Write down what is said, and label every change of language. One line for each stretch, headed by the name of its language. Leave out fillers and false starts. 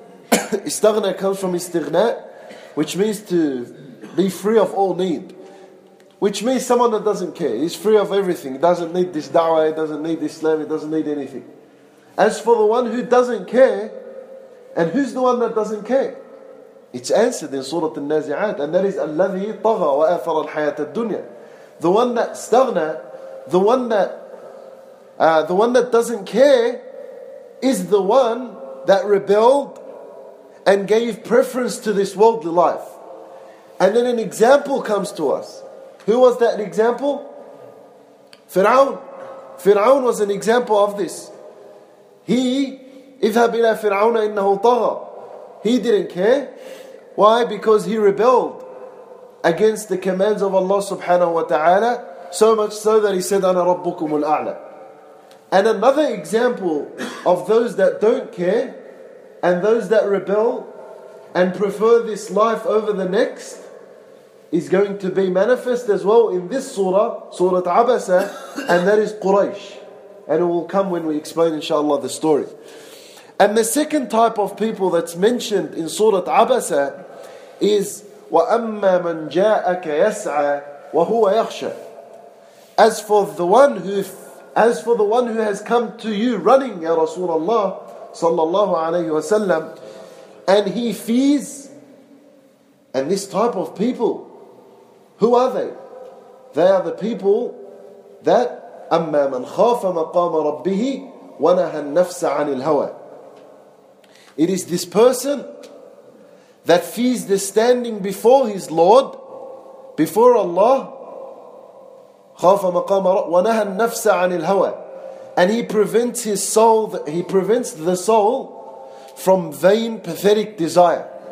English: Istaghna comes from istighna, which means to be free of all need. Which means someone that doesn't care. He's free of everything. He doesn't need this da'wah. He doesn't need Islam. He doesn't need anything. As for the one who doesn't care — and who's the one that doesn't care? It's answered in Surah Al-Nazi'at. And that is
Arabic: الَّذِي طَغَى وَآثَرَ الْحَيَاةَ الدُّنْيَا.
English: The one that استغنى, the one that doesn't care, is the one that rebelled and gave preference to this worldly life. And then an example comes to us. Who was that example? Fir'aun. Fir'aun was an example of this.
Arabic: He, اذهب إلى فرعون إنه طغى.
English: He didn't care. Why? Because he rebelled against the commands of Allah subhanahu wa ta'ala, so much so that he said,
Arabic: أنا ربكم الأعلى.
English: And another example of those that don't care, and those that rebel and prefer this life over the next, is going to be manifest as well in this surah, Surah Abasa, and that is Quraysh. And it will come when we explain, inshallah, the story. And the second type of people that's mentioned in Surah Abasa is
Arabic: وَأَمَّا مَنْ جَاءَكَ يَسْعَى وَهُوَ يَخْشَى.
English: As for the one who has come to you running, Ya Rasulullah sallallahu alayhi wa sallam, and he fears. And this type of people, who are they? They are the people that
Arabic: أَمَّا مَنْ خَافَ مَقَامَ رَبِّهِ وَنَهَى النَّفْسَ عَنِ الْهَوَى.
English: It is this person that fears the standing before his Lord, before Allah,
Arabic: خَافَ مَقَامَ رَبِّهِ وَنَهَى النَّفْسَ عَنِ الْهَوَى.
English: And he prevents his soul, he prevents the soul from vain, pathetic desire.